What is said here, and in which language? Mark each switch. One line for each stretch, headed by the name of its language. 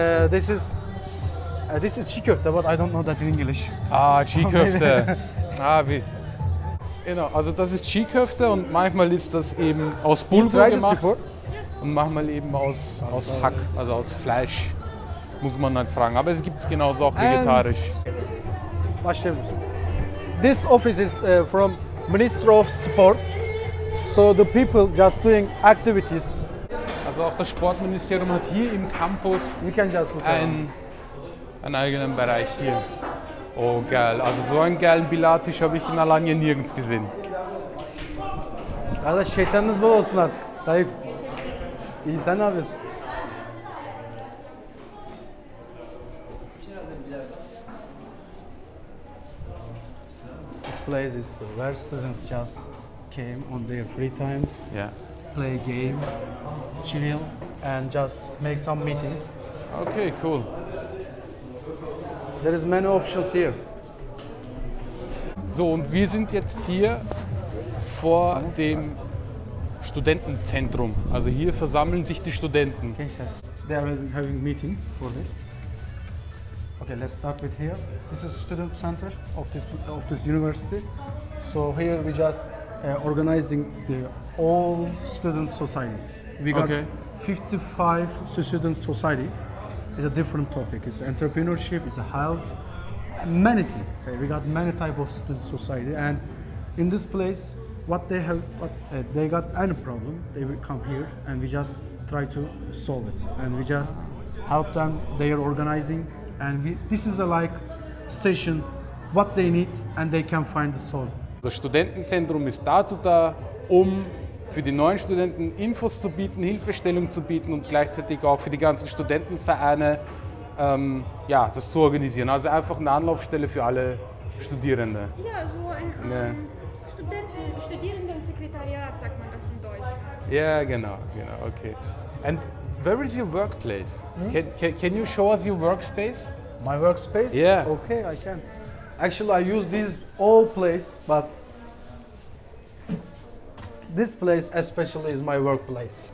English: This is çiğ köfte, but I don't know that in English.
German: Ah, çiğ köfte. Ah, wie. Genau, also das ist Chi-Köfte und manchmal ist das eben aus Bulgur gemacht und manchmal eben aus Hack, also aus Fleisch, muss man dann fragen. Aber es gibt es genauso auch vegetarisch.
English: This office is from Minister of Sport, so the people just doing activities.
German: Also auch das Sportministerium hat hier im Campus einen eigenen Bereich hier. Oh geil, also so einen geilen Pilates habe ich in Alanya nirgends gesehen.
Turkish: Alter, şeytanınız bol olsun artık. Tayyip. İyi, sen ne yapıyorsun?
English: This place is the where students just came on their free time. Yeah. Play a game, chill and just make some meeting. Okay, cool. There is many options here.
German: So, und wir sind jetzt hier vor dem Studentenzentrum. Also hier versammeln sich die Studenten.
English: They are having meeting for this. Okay, let's start with here. This is student center of this university. So here we just organizing the all student societies. We got 55 student society. It's a different topic. It's entrepreneurship, it's a health, many things. Okay, we got many type of student society, and in this place, they got any problem, they will come here, and we just try to solve it. And we just help them, they are organizing, and this is a like station, what they need, and they can find the solution.
German: Das Studentenzentrum ist dazu da, für die neuen Studenten Infos zu bieten, Hilfestellung zu bieten und gleichzeitig auch für die ganzen Studentenvereine ja, das zu organisieren. Also einfach eine Anlaufstelle für alle Studierende. Ja, so ein Studierendensekretariat, sagt man das in Deutsch. Ja, genau, okay.
English: And where is your workplace? Can you show us your workspace? My workspace? Yeah. Okay, I can. Actually, I use this all place, but this place especially is my workplace.